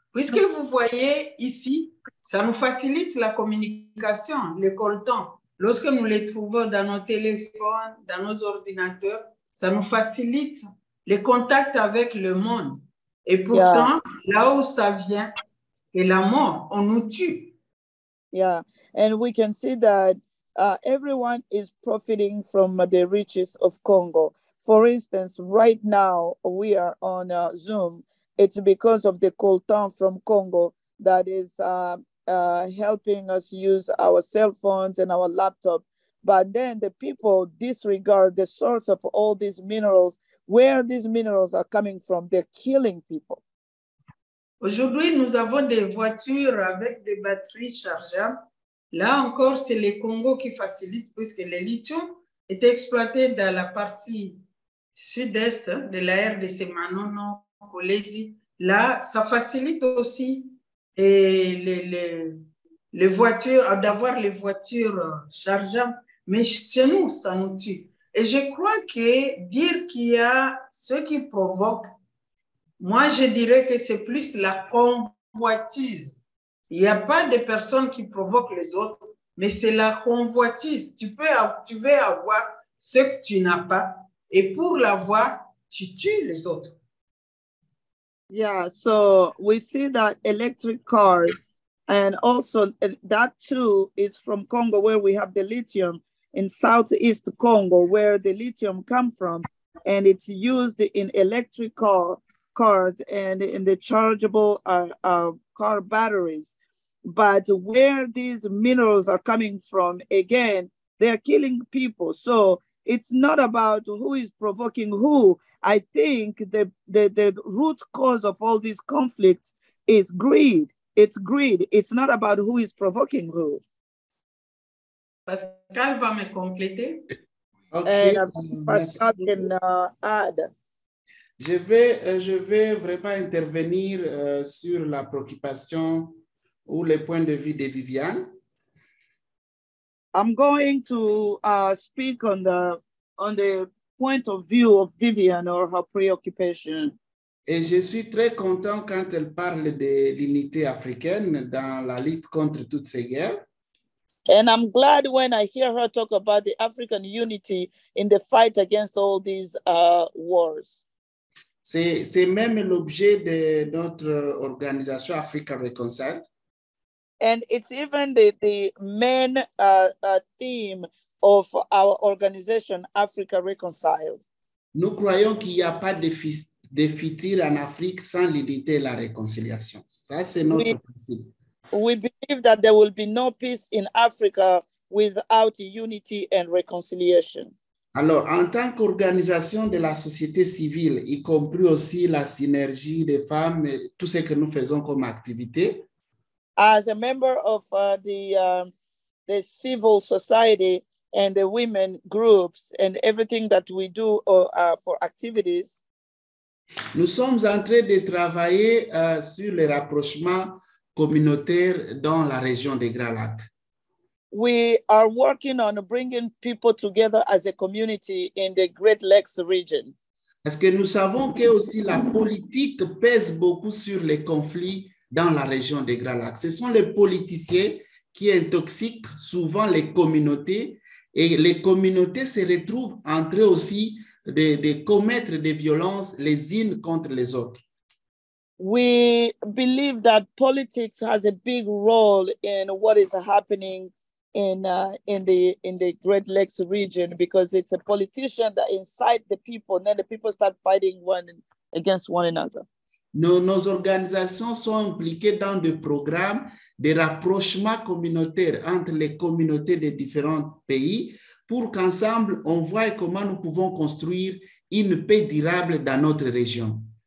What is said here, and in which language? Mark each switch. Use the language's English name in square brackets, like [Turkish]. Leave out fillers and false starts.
[French] Puisque vous voyez ici, ça nous facilite la communication, le coltan. Lorsque nous les trouvons dans nos téléphones, dans nos ordinateurs, ça nous facilite le contact avec le monde. Et pourtant, yeah, là où ça vient, c'est la mort. On nous tue. [English] Yeah, and we can see that everyone is profiting from the riches of Congo. For instance, right now we are on Zoom. It's because of the coltan from Congo that is helping us use our cell phones and our laptop. But then the people disregard the source of all these minerals, where these minerals are coming from. They're killing people. [French] Aujourd'hui, nous avons des voitures avec des batteries chargeables. Là encore, c'est le Congo qui facilite puisque le lithium est exploité dans la partie sud-est de la RDC Manono. Là, ça facilite aussi les voitures, d'avoir les voitures chargeables. Mais chez nous, ça nous tue. Et je crois que dire qu'il y a ce qui provoque, moi, je dirais que c'est plus la convoitise. Il n'y a pas de personnes qui provoquent les autres, mais c'est la convoitise. Tu veux avoir ce que tu n'as pas, et pour l'avoir, tu tues les autres. [English] Yeah, so we see that electric cars, and also that too is from Congo, where we have the lithium in southeast Congo, where the lithium comes from, and it's used in electric cars and in the chargeable car batteries. But where these minerals are coming from, again, they're killing people. So it's not about who is provoking who. I think the root cause of all these conflicts is greed. It's greed. It's not about who is provoking who. [French] Pascal va me compléter. [English] Okay. And Pascal can add. [French] Je vais vraiment intervenir sur la préoccupation ou les points de vue de Viviane. [English] I'm going to speak on the point of view of Vivian or her preoccupation. [French] Et je suis très content quand elle parle de l'unité africaine dans la lutte contre toutes ces guerres. [English] And I'm glad when I hear her talk about the African unity in the fight against all these wars. [French] C'est même l'objet de notre organisation Africa Reconciled. [English] And it's even the main theme of our organization, Africa Reconciled. [French] Nous croyons qu'il n'y a pas de futur en Afrique sans l'unité et la réconciliation. Ça, c'est notre principe. [English] We believe that there will be no peace in Africa without unity and reconciliation. [French] Alors, en tant qu'organisation de la société civile, y compris aussi la synergie des femmes, tout ce que nous faisons comme activité. [English] As a member of the civil society, and the women groups and everything that we do for activities. [French] Nous sommes en train de travailler sur le rapprochement communautaire dans la région des Grands Lacs. [English] We are working on bringing people together as a community in the Great Lakes region. [French] Parce que nous savons que aussi la politique pèse beaucoup sur les conflits dans la région des Grands Lacs. Ce sont les politiciens qui intoxiquent souvent les communautés. Et les communautés se retrouvent entre eux aussi de commettre des violences les unes contre les autres. [English] We believe that politics has a big role in what is happening in the Great Lakes region because it's a politician that incites the people and then the people start fighting one against one another. [French] Nos organisations sont impliquées dans des programmes de rapprochement communautaire entre les communautés des différents pays pour qu'ensemble, on voit comment nous pouvons construire une paix durable dans notre région.